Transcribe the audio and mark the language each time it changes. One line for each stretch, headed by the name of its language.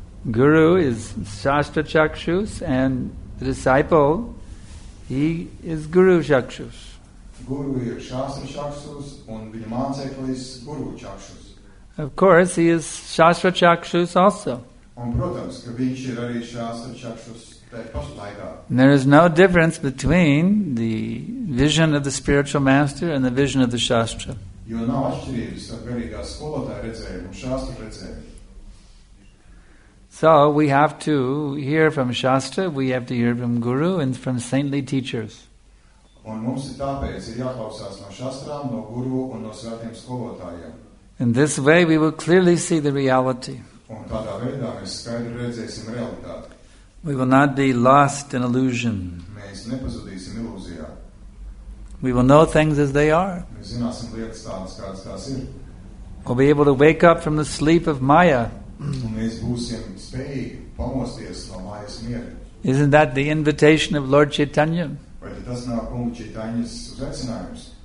English: Guru is Shastra Chakshus, and the disciple, he is Guru Chakshus.
Latvian: Guru ir Shastra Chakshus, un viņa māceklis Guru Chakshus.
English: Of course, he is Shastra Chakshus also.
Latvian: Un, protams, ka viņš ir arī Shastra Chakshus pašu laikā.
English: There is no difference between the vision of the spiritual master and the vision of the Shastra.
Latvian: Jo nav atšķirības ar garīgā skolotāja redzējumu un Shastra redzējumu.
English: So, we have to hear from Shastra, we have to hear from Guru and from saintly teachers.
Latvian: Un mums ir tāpēc ir jāklausās no Shastrām, no Guru un no svētiem skolotājiem.
English: In this way, we will clearly see the reality.
Latvian: Un tādā veidā mēs skaidri redzēsim realitāti.
English: We will not be lost in illusion.
Latvian: Mēs nepazudīsim ilūzijā.
English: We will know things as they are.
Latvian: Mēs zināsim lietas tādas, kādas tās ir.
English: We'll be able to wake up from the sleep of Maya.
Latvian: Un mēs būsim spējīgi pamosties no Mayas miera.
English: Isn't that the invitation of Lord Chaitanya?
Latvian: Vai tas nav kunga Chaitanyas uzaicinājums?